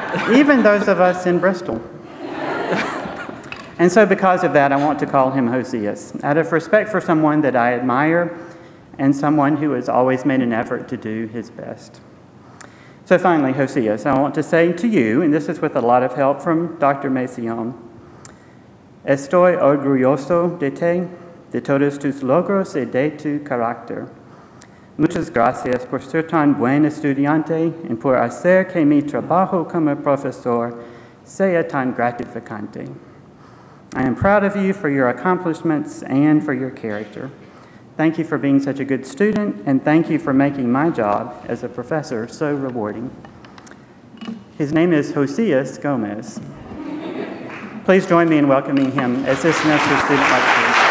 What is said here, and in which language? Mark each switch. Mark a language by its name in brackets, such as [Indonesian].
[English] Even those of us in Bristol. And so because of that, I want to call him Josias, out of respect for someone that I admire and someone who has always made an effort to do his best. So finally, Josias, I want to say to you, and this is with a lot of help from Dr. Mason, [Spanish] estoy orgulloso de ti. de todos tus logros y de tu carácter. Muchas gracias por ser tan buen estudiante y por hacer que mi trabajo como profesor sea tan gratificante. [English] I am proud of you for your accomplishments and for your character. Thank you for being such a good student, and thank you for making my job as a professor so rewarding. His name is Josias Gomez. Please join me in welcoming him as this semester's student lecturer.